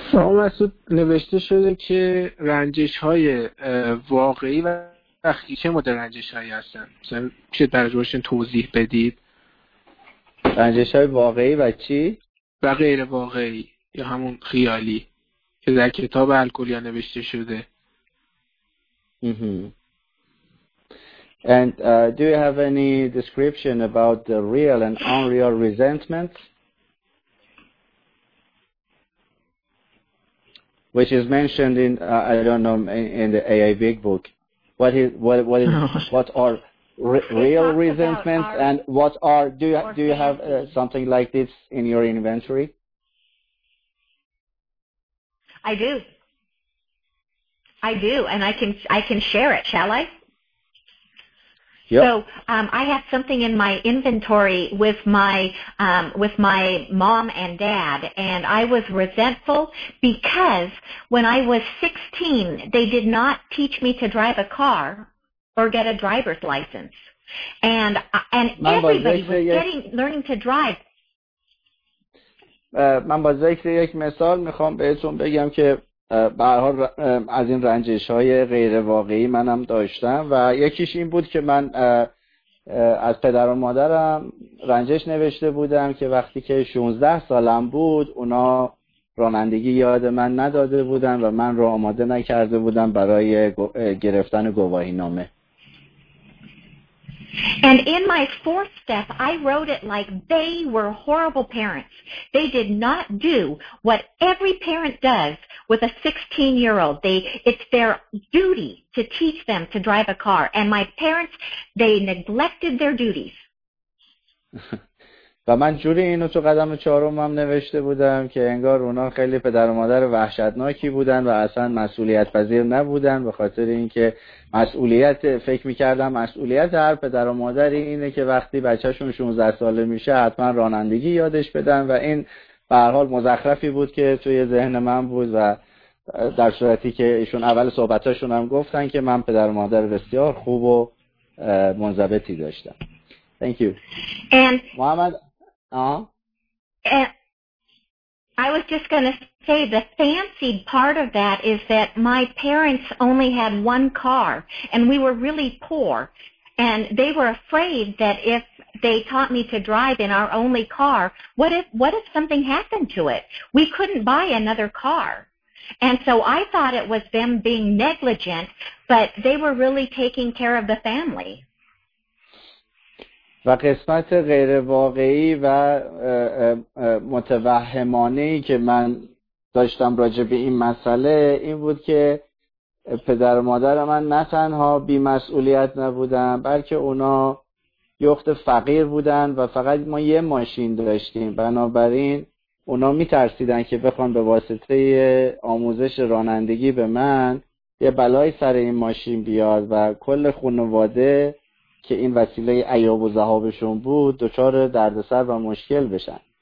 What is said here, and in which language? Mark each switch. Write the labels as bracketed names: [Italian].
[Persian] آقا مسعود، نوشته شده که رنجش های واقعی و اخی چه مدل رنجش هایی هستن؟ مثلا چه درجهشون توضیح بدید؟ رنجش های واقعی و چی؟ و غیر واقعی یا همون خیالی که در کتاب الکلیا نوشته شده. [English] And do you have any description about the real and unreal resentment, which is mentioned in in the AA Big Book? What are real resentments, and what are do you have something like this in your inventory? I do, and I can share it. Shall I? Yep. So I have something in my inventory with my mom and dad, and I was resentful because when I was 16, they did not teach me to drive a car or get a driver's license, and [Persian] من [English] everybody was getting learning to drive. [Persian] من با ذکر یک مثال میخوام بهتون بگم که به هر حال از این رنجش های غیر واقعی منم داشتم و یکیش این بود که من از پدر و مادرم رنجش نوشته بودم که وقتی که 16 سالم بود اونا رانندگی یاد من نداده بودن و من رو آماده نکرده بودن برای گرفتن گواهی نامه. [English] And in my fourth step, I wrote it like they were horrible parents. They did not do what every parent does with a 16-year-old. It's their duty to teach them to drive a car. And my parents, they neglected their duties. [Persian] و من جوری اینو تو قدم چهارمم نوشته بودم که انگار اونا خیلی پدر و مادر وحشتناکی بودن و اصلا مسئولیت پذیر نبودن، به خاطر اینکه فکر می‌کردم مسئولیت هر پدر و مادری اینه که وقتی بچه‌شون 16 ساله میشه حتما رانندگی یادش بدن و این به هر حال مزخرفی بود که توی ذهن من بود و در صورتی که ایشون اول صحبتاشون هم گفتن که من پدر و مادر بسیار خوب و منضبطی داشتم. [English] Thank you. And Muhammad, I was just going to say the fancied part of that is that my parents only had one car and we were really poor and they were afraid that if they taught me to drive in our only car, what if something happened to it? We couldn't buy another car. And so I thought it was them being negligent, but they were really taking care of the family. [Persian] و قسمت غیر واقعی و متوهمانه‌ای که من داشتم راجع به این مسئله این بود که پدر و مادر من نه تنها بی‌مسئولیت نبودن، بلکه اونا یخت فقیر بودن و فقط ما یه ماشین داشتیم، بنابراین اونا می‌ترسیدن که بخوان به واسطه آموزش رانندگی به من یه بلای سر این ماشین بیاد و کل خانواده که این وسیله عیاب و ذهابشون بود دچار دردسر و مشکل بشن.